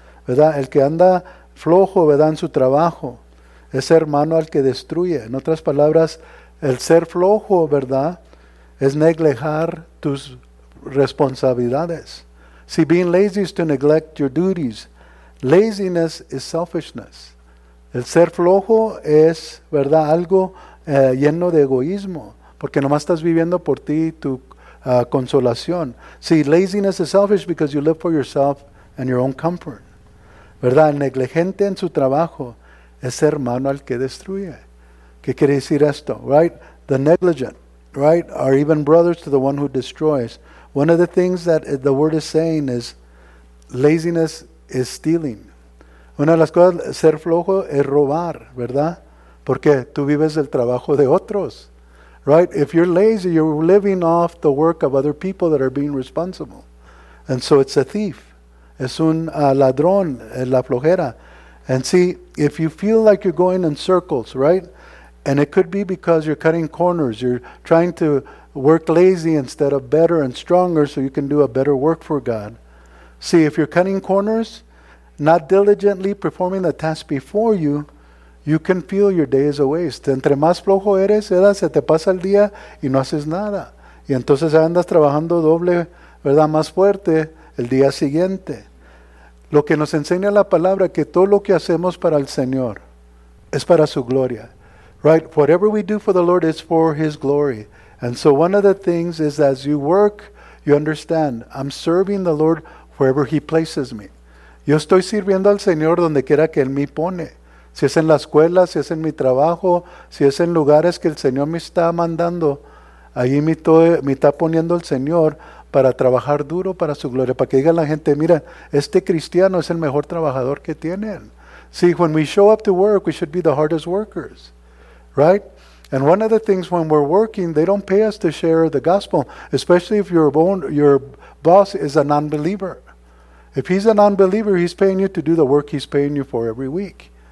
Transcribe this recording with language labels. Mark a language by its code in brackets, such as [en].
[es] ¿Verdad? El que anda flojo, ¿verdad? En su trabajo es hermano al que destruye. En otras palabras, el ser flojo, ¿verdad? Es negligir tus responsabilidades. [en] See, being lazy is to neglect your duties. Laziness is selfishness. [es] El ser flojo es, ¿verdad? Algo lleno de egoísmo. Porque nomás estás viviendo por ti tu consolación. [en] See, laziness is selfish because you live for yourself and your own comfort. [es] ¿Verdad? El negligente en su trabajo es hermano al que destruye. ¿Qué quiere decir esto? [en] Right? The negligent, right? Are even brothers to the one who destroys. One of the things that the word is saying is laziness is stealing. [es] Una de las cosas, ser flojo es robar, ¿verdad? Porque tú vives del trabajo de otros. [en] Right? If you're lazy, you're living off the work of other people that are being responsible. And so it's a thief. [es] Es un ladrón, la flojera. [en] And see, if you feel like you're going in circles, right? And it could be because you're cutting corners. You're trying to work lazy instead of better and stronger so you can do a better work for God. See, if you're cutting corners, not diligently performing the task before you, you can feel your day is a waste. [es] Entre más flojo eres, ¿verdad? Se te pasa el día y no haces nada. Y entonces andas trabajando doble, ¿verdad? Más fuerte el día siguiente. Lo que nos enseña la palabra que todo lo que hacemos para el Señor es para su gloria. [en] Right? Whatever we do for the Lord is for His glory. And so one of the things is as you work, you understand, I'm serving the Lord wherever He places me. [es] Yo estoy sirviendo al Señor donde quiera que Él me pone. Si es en la escuela, si es en mi trabajo, si es en lugares que el Señor me está mandando, ahí me está poniendo el Señor para trabajar duro para su gloria, para que diga la gente, mira, este cristiano es el mejor trabajador que tienen. [en] See, when we show up to work, we should be the hardest workers, right? And one of the things when we're working, they don't pay us to share the gospel, especially if your boss is a non-believer. If he's a non-believer, he's paying you to do the work he's paying you for every week.